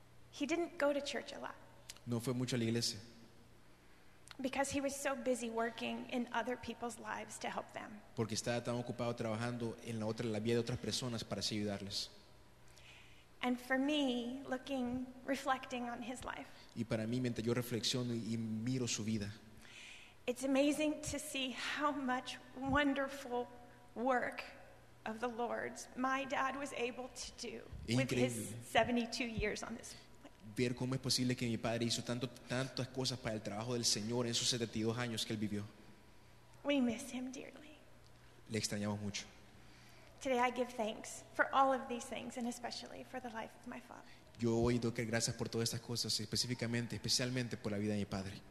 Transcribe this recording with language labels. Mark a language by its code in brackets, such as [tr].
[en] He didn't go to church a lot. [es] No fue mucho a la iglesia. [en] Because he was so busy working in other people's lives to help them. [es] Porque estaba tan ocupado trabajando en la vida de otras personas para así ayudarles. [en] And for me, looking, reflecting on his life. [es] Y para mí, mientras yo reflexiono y miro su vida. [en] It's amazing to see how much wonderful work of the Lord's my dad was able to do with his 72 years on this. [es] Ver cómo es posible que mi padre hizo tantas cosas para el trabajo del Señor en sus 72 años que él vivió. [en] We miss him dearly. [es] Le extrañamos mucho. [en] Today I give thanks for all of these things and especially for the life of my father. [es] Yo hoy doy gracias por todas estas cosas, especialmente por la vida de mi padre.